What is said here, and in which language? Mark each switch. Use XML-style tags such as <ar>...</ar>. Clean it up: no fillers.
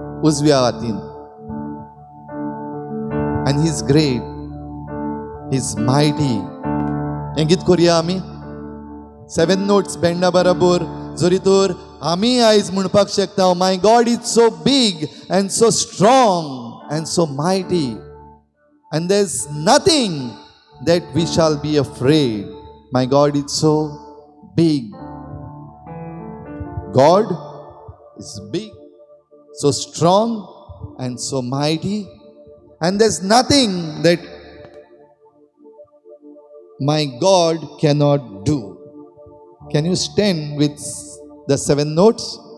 <gom>उजव्या हातीन,</gom> <en>And he is great, he is mighty.</en> <gom>हे गीत करुया आमी सेवन नोट्स बँडा बराबर. जरी तर आमी आयज म्हणपाक शकता,</gom> <en>My God is so big and so strong and so mighty, and there is nothing that we shall be afraid. My God is so big. God is big, so strong and so mighty, and there's nothing that my God cannot do. Can you stand with the seven notes?</en>